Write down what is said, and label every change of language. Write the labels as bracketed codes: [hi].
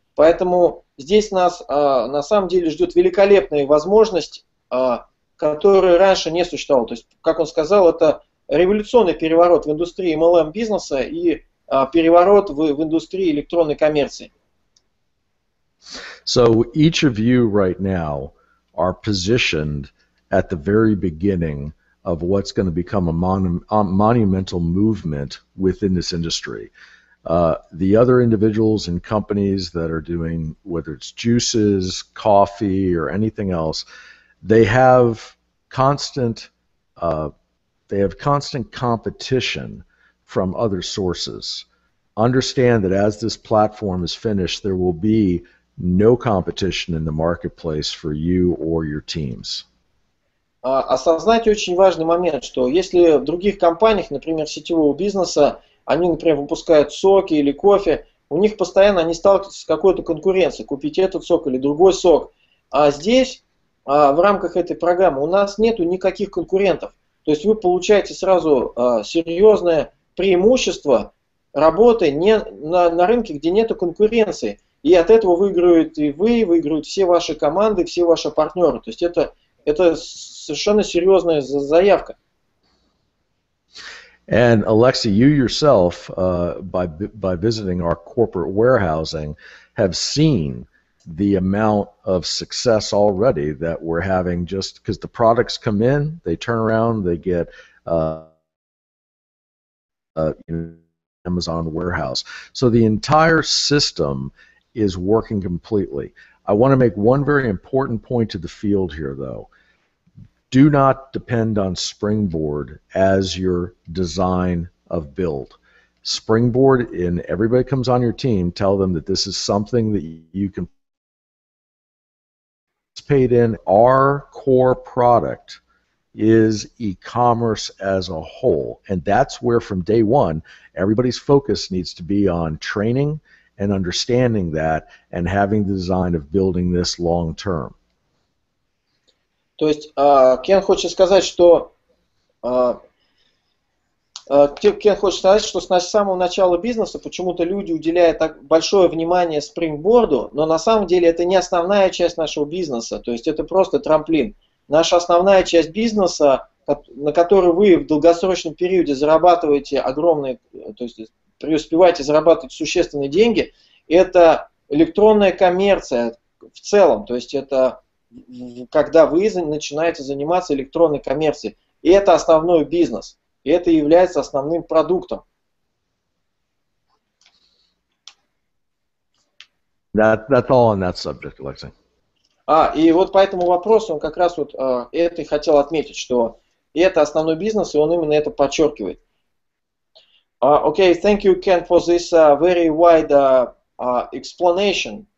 [ru] Поэтому здесь нас на самом деле ждет великолепная возможность, которая раньше не существовала. То есть, как он сказал, это революционный переворот в индустрии MLM-бизнеса и переворот в индустрии электронной коммерции. [en] So each of you right now are positioned at the very beginning of what's going to become a monumental movement within this industry. The other individuals and companies that are doing, whether it's juices, coffee, or anything else, they have constant competition from other sources. Understand that as this platform is finished, there will be no competition in the marketplace for you or your teams. [ru] Осознать очень важный момент, что если в других компаниях, например, сетевого бизнеса, они, например, выпускают соки или кофе, у них постоянно они сталкиваются с какой-то конкуренцией, купить этот сок или другой сок. А здесь, в рамках этой программы, у нас нету никаких конкурентов. То есть вы получаете сразу серьезное преимущество работы на рынке, где нету конкуренции. И от этого выиграют и вы, выиграют все ваши команды, все ваши партнеры. То есть это совершенно серьезная заявка. [en] And Alexei, you yourself, by visiting our corporate warehousing, have seen the amount of success already that we're having just because the products come in, they turn around, they get Amazon warehouse. So the entire system is working completely. I want to make one very important point to the field here, though. Do not depend on Springboard as your design of build. Springboard, and everybody comes on your team, tell them that this is something that you can participate in. Our core product is e-commerce as a whole, and that's where from day one, everybody's focus needs to be on training and understanding that and having the design of building this long term. [ru] То есть Кен хочет сказать, что с самого начала бизнеса почему-то люди уделяют так большое внимание спрингборду, но на самом деле это не основная часть нашего бизнеса, то есть это просто трамплин. Наша основная часть бизнеса, на которой вы в долгосрочном периоде зарабатываете огромные, то есть преуспеваете зарабатывать существенные деньги, это электронная коммерция в целом, то есть это когда вы начинаете заниматься электронной коммерцией. И это основной бизнес. И это является основным продуктом. [en] That's all on that subject, Alexei. [ru] И вот по этому вопросу он как раз вот это и хотел отметить, что это основной бизнес, и он именно это подчеркивает. [en] Okay, thank you, Ken, for this very wide explanation.